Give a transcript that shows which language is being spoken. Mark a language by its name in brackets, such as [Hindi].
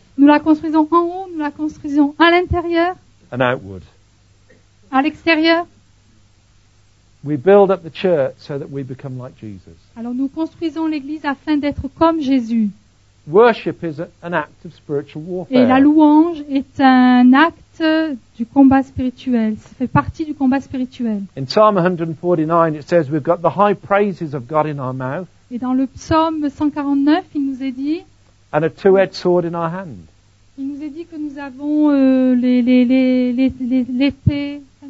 [French] Nous la construisons en haut, nous la construisons à l'intérieur. [English] And outward. [French] À l'extérieur. [English] We build up the church so that we become like Jesus. [French] Alors nous construisons l'église afin d'être comme Jésus. [English] Worship is an act of spiritual warfare. [French] Et la louange est un acte du combat spirituel. Ça fait partie du combat spirituel. [English] In Psalm 149, it says we've got the high praises of God in our mouth. [French] Et dans le psaume 149, il nous est dit. [English] And a two-edged sword in our hand. [French] Il nous est dit que nous avons l'épée.